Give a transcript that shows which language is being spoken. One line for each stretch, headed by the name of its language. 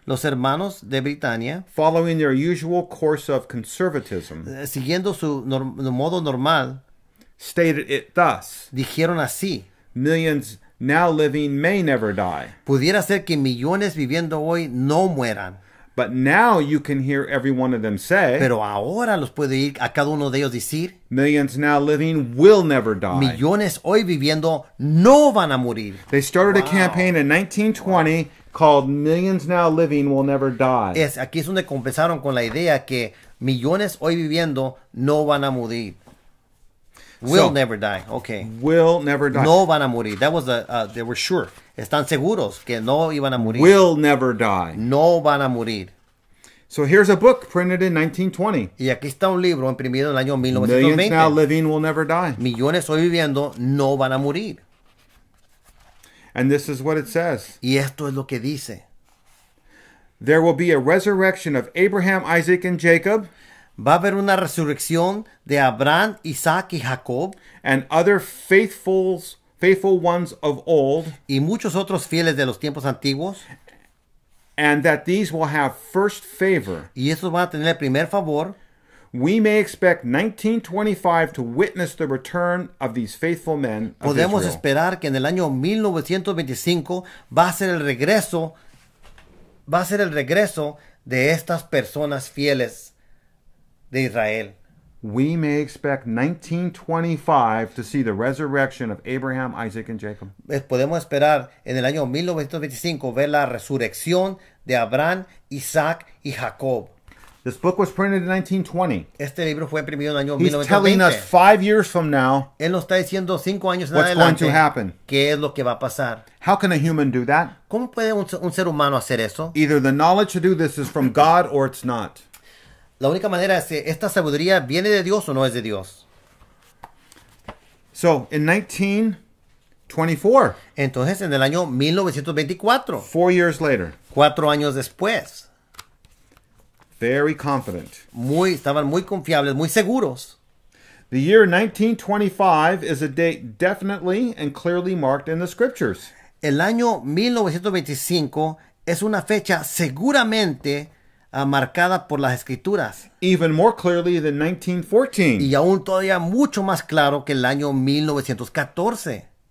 Spanish: los hermanos de Britania,
English: following their usual course of conservatism,
Spanish: siguiendo su modo normal,
English: stated it thus,
Spanish: dijeron así,
English: millions now living may never die.
Spanish: Pudiera ser que millones viviendo hoy no mueran.
English: But now you can hear every one of them say,
Spanish: pero ahora los puede ir a cada uno de ellos decir,
English: millions now living will never die.
Spanish: Millones hoy viviendo no van a morir.
English: They started a campaign in 1920 called Millions Now Living Will Never Die.
Spanish: Es, aquí es donde comenzaron con la idea que millones hoy viviendo no van a morir.
English: Will so, never die. Okay. Will never die.
Spanish: No van a morir.
English: That was they were sure.
Spanish: Están seguros que no iban a morir.
English: Will never die.
Spanish: No van a morir.
English: So here's a book printed in 1920.
Spanish: Y aquí está un libro imprimido en el año 1920.
English: Millions now living will never die.
Spanish: Millones hoy viviendo no van a morir.
English: And this is what it says.
Spanish: Y esto es lo que dice.
English: There will be a resurrection of Abraham, Isaac, and Jacob.
Spanish: Va a haber una resurrección de Abraham, Isaac y Jacob.
English: And other faithful ones of old.
Spanish: Y muchos otros fieles de los tiempos antiguos.
English: And that these will have first favor.
Spanish: Y estos van a tener el primer favor.
English: We may expect 1925 to witness the return of these faithful men of Israel.
Spanish: Podemos esperar que en el año 1925 va a ser el regreso de estas personas fieles de Israel.
English: We may expect 1925 to see the resurrection of Abraham, Isaac, and Jacob.
Spanish: Podemos esperar en el año 1925 ver la resurrección de Abraham, Isaac, y Jacob.
English: This book was printed in 1920.
Spanish: Este libro fue imprimido en el año
English: 1920. He's telling us 5 years from now.
Spanish: Él nos está diciendo 5 años en
English: adelante. What's going to happen?
Spanish: ¿Qué es lo que va a pasar?
English: How can a human do that?
Spanish: ¿Cómo puede un ser humano hacer eso?
English: Either the knowledge to do this is from God or it's not.
Spanish: La única manera es que esta sabiduría viene de Dios o no es de Dios.
English: So, in 1924.
Spanish: Entonces, en el año 1924.
English: 4 years later.
Spanish: 4 años después.
English: Very confident.
Spanish: Estaban muy confiables, muy seguros.
English: The year 1925 is a date definitely and clearly marked in the scriptures.
Spanish: El año 1925 es una fecha seguramente marcada por las escrituras.
English: Even more clearly than 1914.
Spanish: Y aún todavía mucho más claro que el año 1914.